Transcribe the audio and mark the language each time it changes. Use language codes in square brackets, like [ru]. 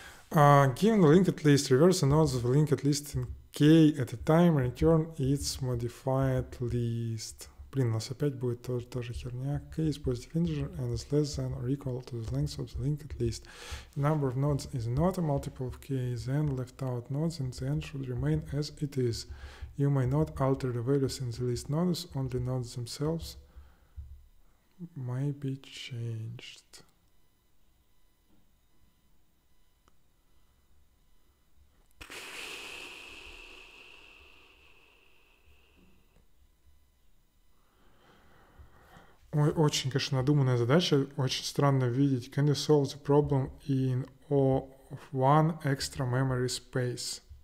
[en] Given the linked list, reverse the nodes of the linked list in k at a time, return its modified list. [ru] Блин, у нас опять будет та же херня. [en] K is positive integer and is less than or equal to the length of the linked list. Number of nodes is not a multiple of k, then left out nodes in the end should remain as it is. You may not alter the values in the list nodes, only nodes themselves may be changed. [ru] Ой, очень, конечно, надуманная задача. Очень странно видеть. [en] Can you solve the problem in O of one extra memory space?